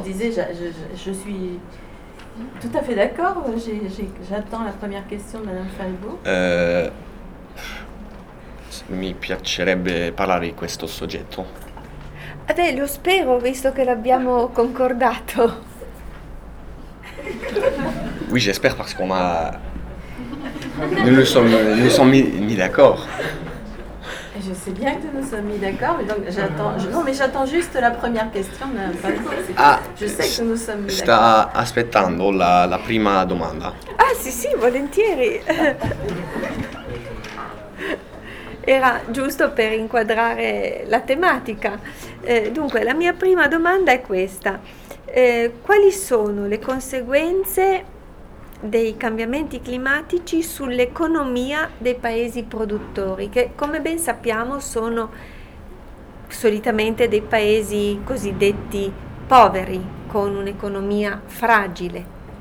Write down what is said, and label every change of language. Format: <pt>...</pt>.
<fr>disais, je suis tout à fait d'accord. J'attends la première question de Madame Faribault.</fr> <it>Mi piacerebbe parlare di questo soggetto. Beh, lo spero, visto che l'abbiamo concordato.</it> <fr>Oui, j'espère parce qu'on a. Nous sommes mis d'accord. Je sais bien que nous sommes mis d'accord, mais donc j'attends. Non, mais j'attends juste la première question, mais pas tout. Ah, Je sais que nous sommes mis d'accord.</fr> <it>sta aspettando la prima domanda. Ah, sì, volentieri. Era giusto per inquadrare la tematica. Dunque, la mia prima domanda è questa. Quali sono le conseguenze dei cambiamenti climatici sull'economia dei paesi produttori, che come ben sappiamo sono solitamente dei paesi cosiddetti poveri, con un'economia fragile?</it>